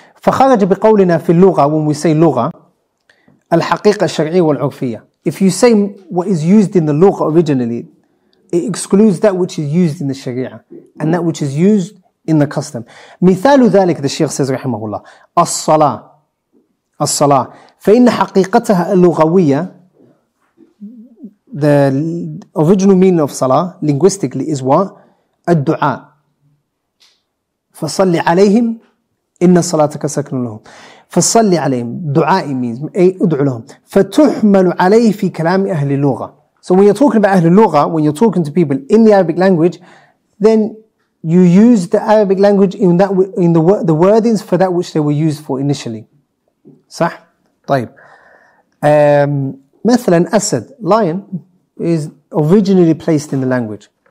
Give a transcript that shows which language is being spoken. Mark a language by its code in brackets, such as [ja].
[ar] فخرج بقولنا في اللغة [en] when we say [ar] لغة الحقيقة الشرعية والعرفية. [en] If you say what is used in the لغة originally, it excludes that which is used in the شريعة and that which is used in the custom. [ar] مثال ذلك [en] the Sheikh says [ar] رحمه الله الصلاة الصلاة فإن حقيقتها اللغوية [en] the original meaning of صلاة linguistically is what? [ar] الدعاء فصل عليهم إن صلاتك سكن لهم فصل عليهم دعاء means أي أدعو لهم فتحمل عليه في كلام أهل اللغة. [en] So when you're talking about أهل اللغة, when you're talking to people in the Arabic language, then you use the Arabic language in that in the wordings for that which they were used for initially. [ar] صح؟ طيب. مثلا [en] أسد lion is originally placed in the language.